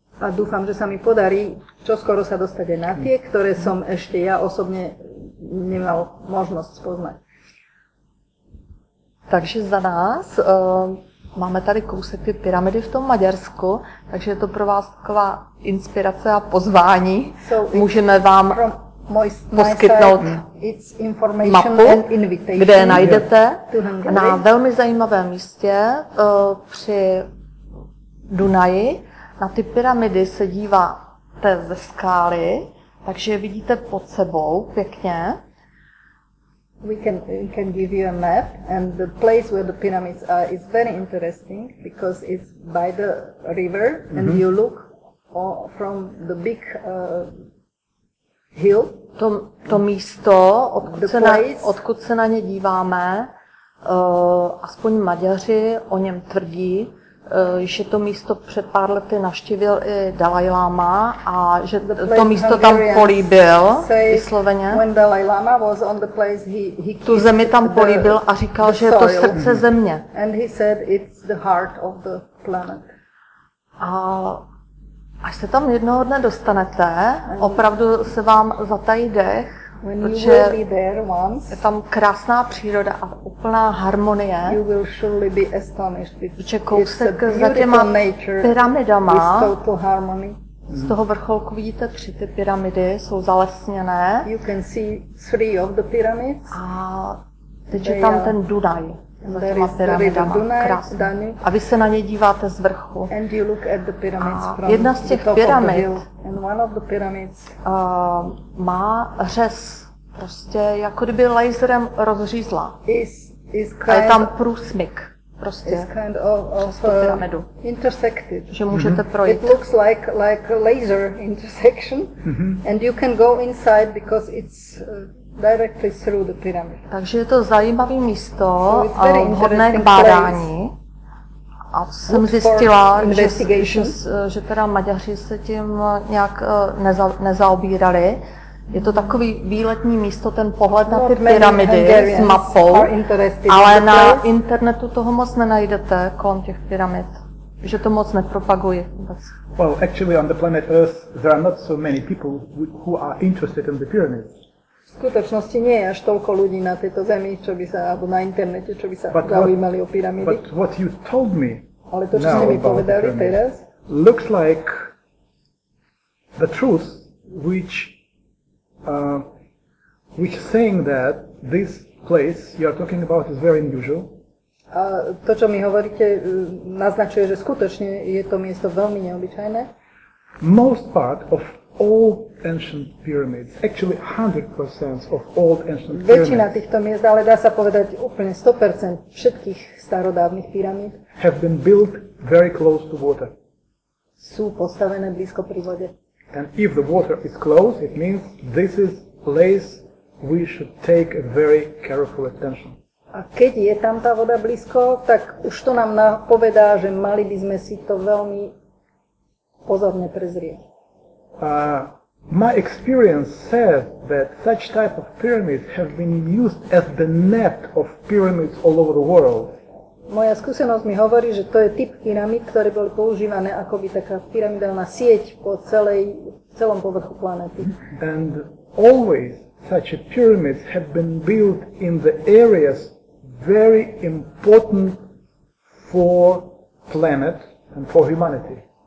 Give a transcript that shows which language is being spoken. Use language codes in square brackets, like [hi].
[sk] A dúfam, že sa mi podarí čoskoro sa dostať aj na tie, ktoré som ešte ja osobne nemal možnosť spoznať. [cs] Takže za nás máme tady kousek ty pyramidy v tom Maďarsku, takže je to pro vás taková inspirace a pozvání. [en] So [cs] můžeme vám poskytnout [en] side, [cs] mapu, kde najdete na velmi zajímavém místě při Dunaji. Na ty pyramidy se díváte ze skály, takže je vidíte pod sebou pěkně. [en] We can give you a map, and the place where the pyramids are is very interesting because it's by the river, mm-hmm. and you look from the big hill. [cs] To místo, odkud se na ně díváme, aspoň Maďaři o něm tvrdí, že to místo před pár lety navštívil i Dalaj Lama a že to místo tam políbil vysloveně. [en] When Dalaj Lama was on the place, he [cs] tu zemi tam políbil a říkal, že je to srdce země. [en] And he said it's the heart of the planet. [cs] A až se tam jednoho dne dostanete, opravdu se vám zatají dech. [en] When you will be there once, [cs] je tam krásná příroda a úplná harmonie. [en] You will surely be astonished. [cs] Protože kousek za těma pyramidama, z toho vrcholku vidíte tři ty pyramidy, jsou zalesněné. [en] You can see three of the pyramids. [cs] A teď je tam ten Dunaj za těma pyramidama, krásný. A vy se na ně díváte z vrchu. [en] And you look at the pyramids [cs] a jedna z těch pyramid, [en] and one of the pyramids [cs] má řez, prostě jako kdyby laserem rozřízla. [en] Is [cs] a je tam průsmyk, prostě [en] kind of [cs] přes tu pyramidu. [en] Intersected. [cs] Že můžete projít. [en] It looks like laser intersection, and you can go inside because it's directly through the pyramid. [cs] Takže je to zajímavé místo, hodné k bádání. [en] Place. [cs] A jsem zjistila, že teda Maďaři se tím nějak nezaobírali. Je to takový výletní místo, ten pohled na ty pyramidy s mapou, ale na internetu toho moc nenajdete kolem těch pyramid, že to moc nepropaguje vůbec. [en] Well, actually on the planet Earth there are not so many people who are interested in the pyramids. [sk] V skutočnosti nie je až toľko ľudí na tejto zemi, čo by sa, alebo na internete, čo by sa zaujímali o pyramídy. [en] But what you told me. [sk] Ale to, čo ste mi povedali teraz, [en] looks like the truth which saying that this place you are talking about is very unusual. [sk] A to, čo mi hovoríte, naznačuje, že skutočne je to miesto veľmi neobyčajné. [en] Most part of all ancient pyramids, actually 100% of all ancient pyramids. [sk] Väčšina týchto miest, ale dá sa povedať úplne 100% všetkých starodávnych pyramíd. [en] Have been built very close to water. [sk] Sú postavené blízko pri vode. [en] And if the water is close, it means this is place we should take a very careful attention. [sk] A keď je tam tá voda blízko, tak už to nám napovedá, že mali by sme si to veľmi pozorne prezrieť. [en] My experience says that such type of pyramids have been used as the net of pyramids all over the world. [sk] Moja skúsenosť mi hovorí, že to je typ pyramid, ktoré boli používané ako by taká pyramidálna sieť po celom povrchu planéty. [en] And always such a pyramids have been built in the areas very important for planet and for humanity.